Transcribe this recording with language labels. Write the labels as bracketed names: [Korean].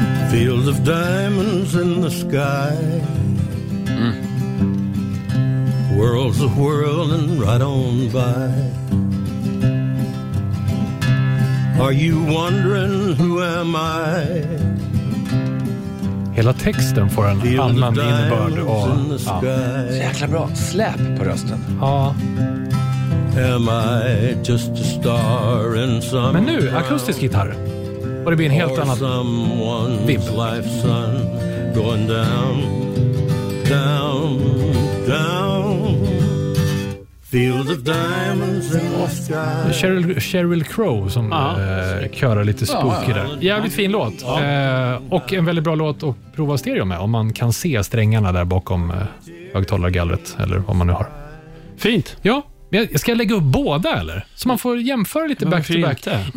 [English] Field of Diamonds in the sky. World's a whirl and right on by. Are you wondering who am I? [Swedish] Hela texten får en annan innebörd och jäkla bra släp på rösten. Ja. [English] Am I just a star in some. [Swedish] Men nu akustisk gitarr. Och det blir en helt annan vibb. [English] Life sun going down down down. Field of diamonds in the sky. [Swedish] Cheryl Crow som körar lite spooky där. Jävligt fin låt. Och en väldigt bra låt att prova stereo med om man kan se strängarna där bakom högtalargallret eller vad man nu har. Fint. Ja. Jag ska lägga upp båda eller? Så man får jämföra lite [English] back to back